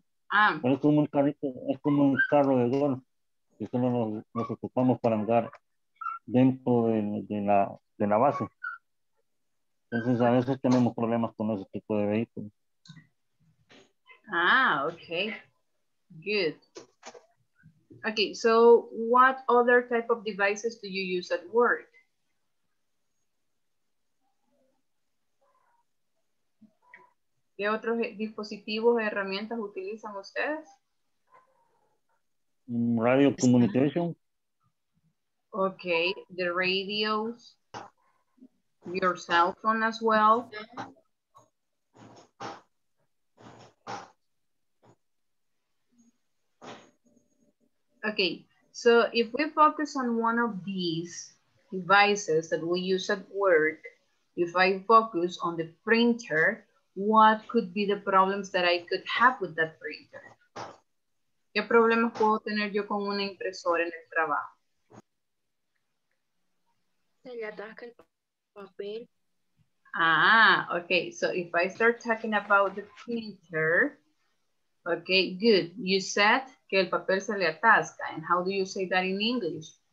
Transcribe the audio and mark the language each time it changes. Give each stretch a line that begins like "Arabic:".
Spanish: Ah. Es como un carrito, es como un carro de golf. Y solo nos ocupamos para andar dentro de la base. Entonces a veces tenemos problemas con ese tipo de vehículos.
English: Ah, okay. Good. Okay, so what other type of devices do you use at work?
Spanish: ¿Qué otros dispositivos o herramientas utilizan ustedes?
English: Radio communication. Okay, the radios, your cell phone as well. Okay, so if we focus on one of these devices that we use at work, if I focus on the printer, what could be the problems that I could have with that printer?
Spanish: ¿Qué problemas puedo tener yo con una impresora en el trabajo? Se le ataca el papel.
English: Ah, okay, so if I start talking about the printer, okay, good. You said
Spanish: que el papel se le atasca.
English: And how do you say that in English?